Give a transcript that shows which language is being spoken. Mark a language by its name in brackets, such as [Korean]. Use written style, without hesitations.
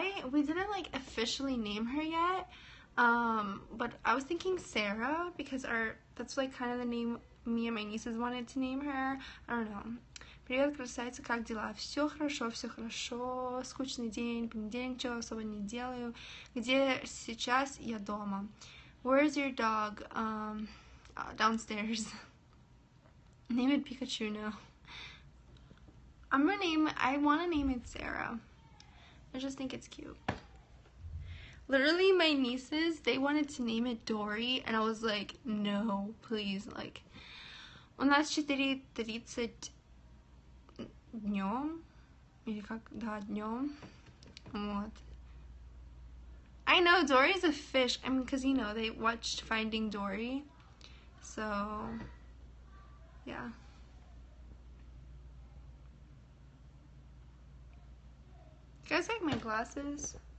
[English] We didn't like officially name her yet, but I was thinking Sarah, because that's like kind of the name me and my nieces wanted to name her. I don't know. [Russian] Привет, красавица, как дела? Все хорошо, скучный день, понедельник, чего особо не делаю. Где сейчас? Я дома. [English] Where is your dog? Downstairs. Name it Pikachu now. I want to name it Sarah. I just think it's cute. Literally, my nieces, they wanted to name it Dory, and I was like, no, please. [Russian] Like, у нас 4:30 днём, или как, да, днём, вот. [English] I know, Dory's a fish, I mean, because, you know, they watched Finding Dory, so, yeah. You guys like my glasses?